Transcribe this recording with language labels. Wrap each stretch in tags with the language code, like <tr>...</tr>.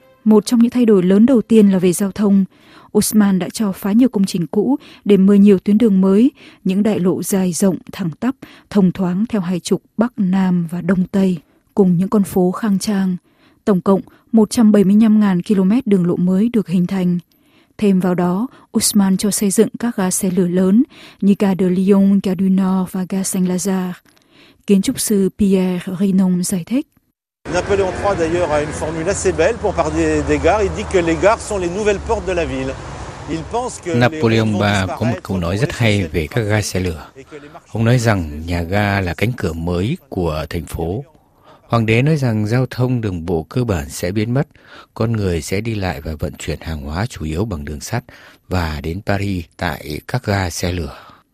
<vi>Một trong những thay đổi lớn đầu tiên là về giao thông. Haussmann đã cho phá nhiều công trình cũ để mở nhiều tuyến đường mới, những đại lộ dài rộng, thẳng tắp, thông thoáng theo hai trục Bắc, Nam và Đông Tây, cùng những con phố khang trang. Tổng cộng 175.000 km đường lộ mới được hình thành. Thêm vào đó, Haussmann cho xây dựng các ga xe lửa lớn như ga de Lyon, ga du Nord và ga Saint-Lazare. Kiến trúc sư Pierre Rinon giải thích.</vi> <fr>Napoléon III d'ailleurs a une formule assez belle pour parler des gares. Il dit que les gares sont les nouvelles portes de la ville.</fr> <vi>Napoléon III có một câu nói rất hay về các ga xe lửa. Ông nói rằng nhà ga là cánh cửa mới của thành phố. Hoàng đế nói rằng giao thông đường bộ cơ bản sẽ biến mất, con người sẽ đi lại và vận chuyển hàng hóa chủ yếu bằng đường sắt và đến Paris tại các ga xe lửa.</vi>